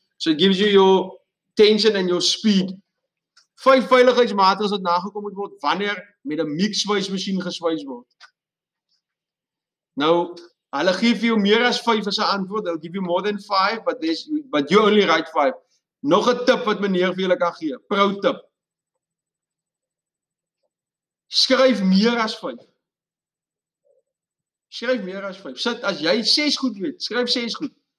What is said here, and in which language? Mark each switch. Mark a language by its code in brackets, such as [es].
[en] So it gives you your tension and your speed. [af] 5 veiligheidsmaatreëls wat nagekom moet word wanneer met 'n mix sweis masjien gesweis word. Nou, hulle gee vir jou meer as 5 as 'n antwoord. [en] They'll give you more than 5, but you only write 5. [af] Nog 'n tip wat meneer vir julle kan gee. [en] Pro tip. [af] Skryf meer as 5. Skryf meer as 5. Sit, as jy 6 goed weet, skryf 6 goed.